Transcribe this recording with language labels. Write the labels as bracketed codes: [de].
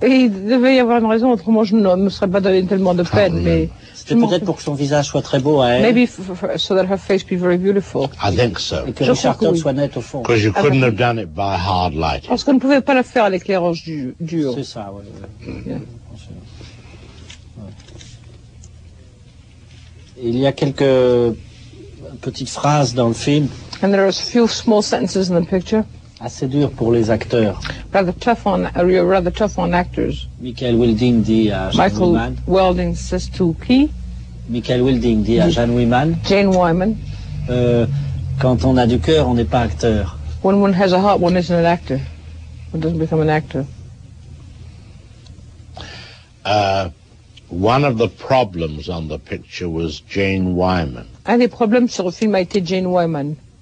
[fr] Il devait y avoir une raison, autrement je ne me serais pas donné tellement de peine. Mais c'était peut-être pour que son visage soit très beau à elle. [en] Maybe so that her face be very beautiful. I think so. [fr] Et que Richard Todd soit net au fond. [en] Because you couldn't have done it by hard light. [fr] Parce qu'on ne pouvait pas le faire à l'éclairage dur. C'est ça, oui. Ouais. [en] Mm-hmm. Yeah. [fr] Il y a quelques petites phrases dans le film. [en] And there are a few small sentences in the picture. [fr] Assez dur pour les acteurs. [en] Rather tough on actors. [fr] Michael Wilding dit à Michael Jeanne Wyman. [en] Michael Wilding says to [fr] qui? Michael Wilding dit à Jeanne Wyman. [en] Jane Wyman. [fr] Quand on a du cœur, on n'est pas acteur. [en] When one has a heart, one isn't an actor. One doesn't become an actor. One of the problems on the picture was Jane Wyman. [fr] Un des problèmes sur le film a été Jane Wyman.